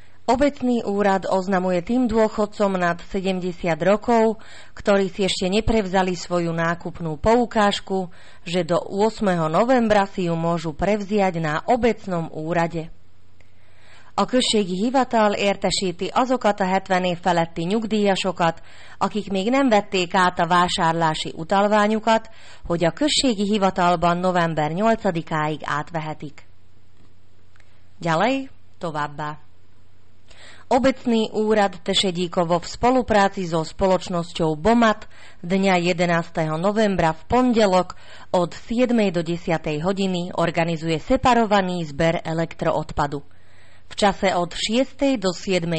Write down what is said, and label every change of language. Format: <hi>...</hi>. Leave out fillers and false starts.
<sk>Obecný úrad oznamuje tým dôchodcom nad 70 rokov, ktorí si ešte neprevzali svoju nákupnú poukážku, že do 8. novembra si ju môžu prevziať na obecnom úrade.</sk> <hu>A községi hivatal értesíti azokat a 70 év feletti nyugdíjasokat, akik még nem vették át a vásárlási utalványukat, hogy a községi hivatalban november 8-áig átvehetik.</hu> <sk>Ďalej,</sk> <hu>továbbá.</hu> <sk>Obecný úrad Tešedíkovo v spolupráci so spoločnosťou BOMAT dňa 11. novembra v pondelok od 7. do 10. hodiny organizuje separovaný zber elektroodpadu. V čase od 6. do 7.</sk>